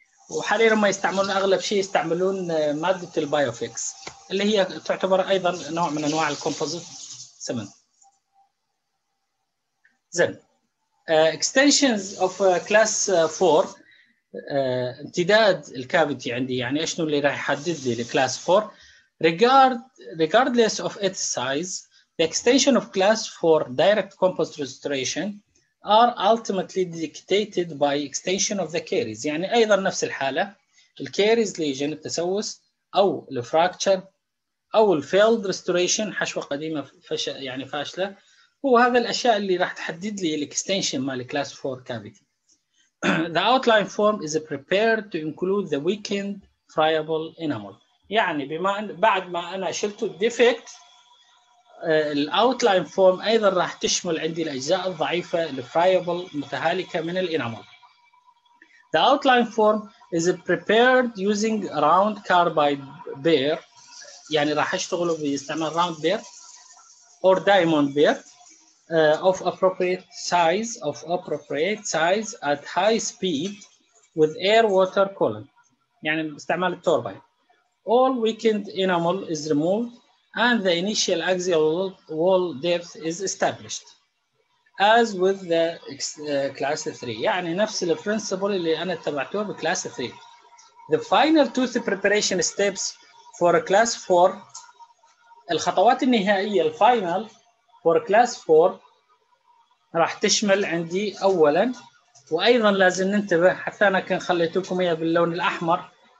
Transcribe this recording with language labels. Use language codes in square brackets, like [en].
[ar] وحاليا ما يستعملون اغلب شيء يستعملون ماده البايوفيكس اللي هي تعتبر ايضا نوع من انواع الكومبوزيت سيمنت. زين اكستنشنز اوف كلاس 4 امتداد الكافيتي عندي يعني شنو اللي راح يحدد لي الكلاس 4 [en] regardless of its size. The extension of class 4 direct composite restoration are ultimately dictated by extension of the caries. [ar] يعني أيضا نفس الحالة الـ [en] caries lesion [ar] التسوس أو الـ fracture أو الـ [en] failed restoration [ar] حشوة قديمة يعني فاشلة هو هذا الأشياء اللي راح تحدد لي الـ extension مال [en] class 4 cavity. The outline form is prepared to include the weakened friable enamel. [ar] يعني بما بعد ما أنا شلت الـ defect الأوتلاين فورم أيضا راح تشمل عندي الأجزاء الضعيفة الفرايبل متهالكة من الإنامول. [en] The outline form is prepared using round carbide bear. [ar] يعني راح أشتغله باستعمال [en] round bear or diamond bear of appropriate size of appropriate size at high speed with air water coolant. [ar] يعني باستعمال التوربين. [en] All weakened enamel is removed. And the initial axial wall depth is established as with the class 3. [ar] يعني نفس الـ principle اللي أنا اتبعته بكلاس 3. [en] The final tooth preparation steps for class 4. [ar] الخطوات النهائية الـ [en] final for class 4 [ar] راح تشمل عندي أولاً وأيضاً لازم ننتبه حتى أنا كنت خليت لكم إياها باللون الأحمر.